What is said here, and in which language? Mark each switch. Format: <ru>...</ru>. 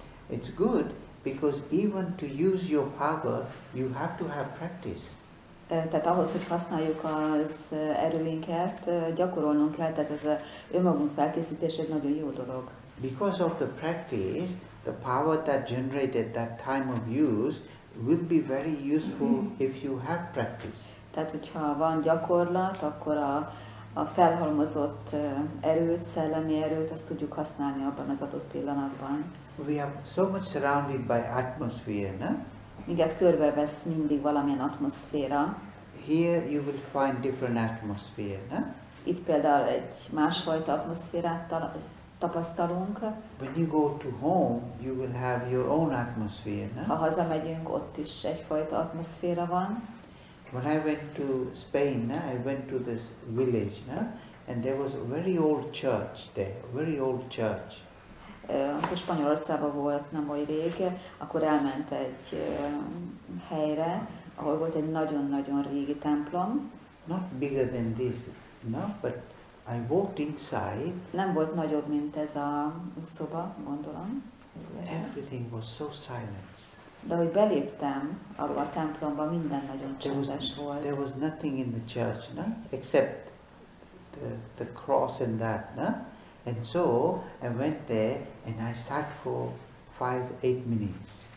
<en>It's good because even to use your power, you have to have practice.</en> <hu>Tehát ahhoz, hogy használjuk az erőinket, gyakorolnunk kell. Tehát ez a önmagunk felkészítés egy nagyon jó dolog.</hu> <en>Because of the practice, the power that generated that time of use will be very useful if you have practice.</en> <hu>Tehát, hogyha van gyakorlat, akkor a felhalmozott erőt, szellemi erőt, azt tudjuk használni abban az adott pillanatban.</hu> <en>We are so much surrounded by atmosphere, na?</en> <hu>Minket körbevesz mindig valamilyen atmoszféra.</hu> <en>Here you will find different atmosphere, na?</en> <hu>Itt például egy másfajta atmoszférát tapasztalunk.</hu> <en>When you go to home, you will have your own atmosphere, no?</en> <hu>Ha hazamegyünk, ott is egyfajta atmoszféra van.</hu> <en>When I went to Spain, I went to this village, no? And there was a very old church there, very old church.</en> <hu>Amikor Spanyolországban volt nem oly rég, akkor elment egy helyre, ahol volt egy nagyon-nagyon régi templom.</hu> <en>Not bigger than this, no? But I walked inside.</en> <hu>Nem volt nagyobb, mint ez a szoba, gondolom.</hu> <en>Everything was so silent.</en> <hu>De ahogy beléptem abba a templomba, minden nagyon csendes volt.</hu> <en>There was nothing in the church, no? Except the cross and that, no? And so I went there and I sat for 5-8 minutes.</en>